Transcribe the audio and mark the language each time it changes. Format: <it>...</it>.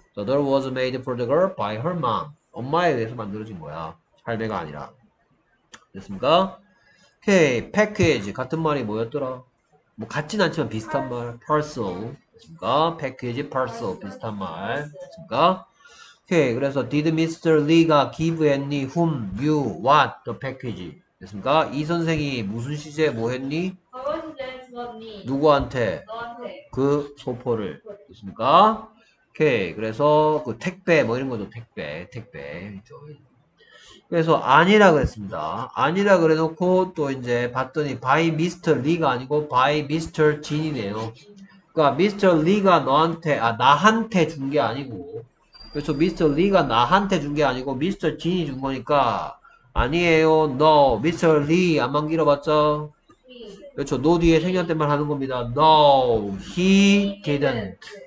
<en>The doll was made for the girl by her mom.</en> <ko>엄마에 의해서 만들어진 거야. 할배가 아니라. 됐습니까? 오케이. 패키지. 같은 말이 뭐였더라? 뭐, 같진 않지만 비슷한 말. 파슬. 됐습니까? 패키지, 파슬. 비슷한 말. 됐습니까? 오케이. 그래서,</ko> <en>Did Mr. Lee가 give any whom, you, what, the package?</en> <ko>됐습니까? 이 선생이 무슨 시제에 뭐 했니? 누구한테? 그 소포를. 됐습니까? 오케이 그래서 그 택배 뭐 이런 거죠 택배 택배 그래서 아니라고 했습니다 아니라 그래놓고 또 이제 봤더니 바이 미스터 리가 아니고 바이 미스터 진이네요 그러니까 미스터 리가 너한테 아 나한테 준게 아니고 그래서 미스터 리가 나한테 준게 아니고 미스터 진이 준 거니까 아니에요 너 미스터 리 안만 길어봤죠 그렇죠 너 뒤에 생년월일만 하는 겁니다</ko> <en>No, he didn't</en>